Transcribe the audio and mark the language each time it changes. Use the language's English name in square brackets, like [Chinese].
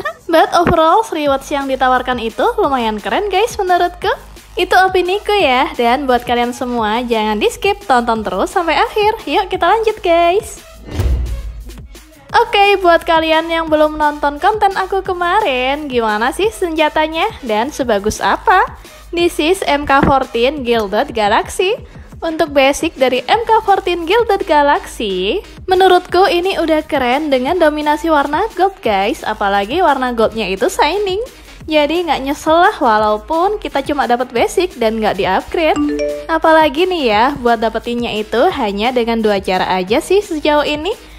[Indonesian] But overall, rewards yang ditawarkan itu lumayan keren guys menurutku. Itu opiniku ya, dan buat kalian semua jangan di skip, tonton terus sampai akhir. Yuk kita lanjut guys. Oke, buat kalian yang belum nonton konten aku kemarin, gimana sih senjatanya dan sebagus apa? [English] This is MK14 Gilded Galaxy. [Indonesian] Untuk basic dari MK14 Gilded Galaxy, menurutku ini udah keren dengan dominasi warna gold guys, apalagi warna goldnya itu shining. Jadi nggak nyesel lah walaupun kita cuma dapat basic dan nggak di upgrade. Apalagi nih ya, buat dapetinnya itu hanya dengan dua cara aja sih sejauh ini.